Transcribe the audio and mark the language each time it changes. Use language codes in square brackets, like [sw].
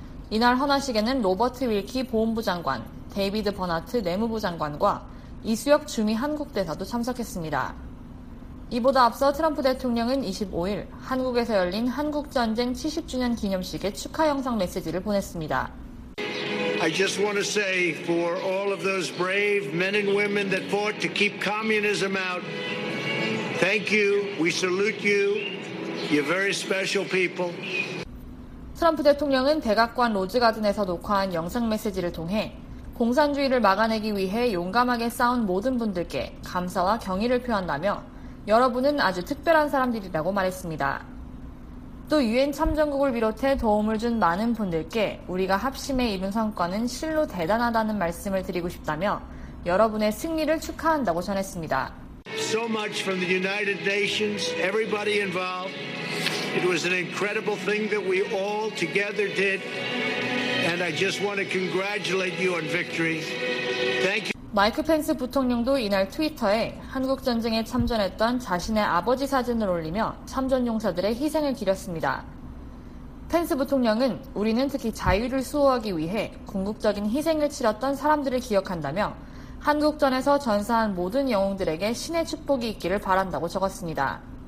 [ko] 이날 헌화식에는 로버트 윌키 보훈부 장관, 데이비드 버나트 내무부 장관과 이수혁 주미 한국 대사도 참석했습니다. 이보다 앞서 트럼프 대통령은 25일 한국에서 열린 한국전쟁 70주년 기념식에 축하 영상 메시지를 보냈습니다. [en] I just want to say for all of those brave men and women that fought to keep communism out, thank you. We salute you. You're very special people. [ko] 트럼프 대통령은 백악관 로즈가든에서 녹화한 영상 메시지를 통해 공산주의를 막아내기 위해 용감하게 싸운 모든 분들께 감사와 경의를 표한다며 여러분은 아주 특별한 사람들이라고 말했습니다. 또 유엔 참전국을 비롯해 도움을 준 많은 분들께 우리가 합심해 이룬 성과는 실로 대단하다는 말씀을 드리고 싶다며 여러분의 승리를 축하한다고 전했습니다. [en] So much from the United Nations, everybody involved. It was an incredible thing that we all together did. And I just want to congratulate you on victory. Thank you. [ko] 마이크 펜스 부통령도 이날 트위터에 한국 전쟁에 참전했던 자신의 아버지 사진을 올리며 참전 용사들의 희생을 기렸습니다. 펜스 부통령은 우리는 특히 자유를 수호하기 위해 궁극적인 희생을 치렀던 사람들을 기억한다며 한국전에서 전사한 모든 영웅들에게 신의 축복이 있기를 바란다고 적었습니다.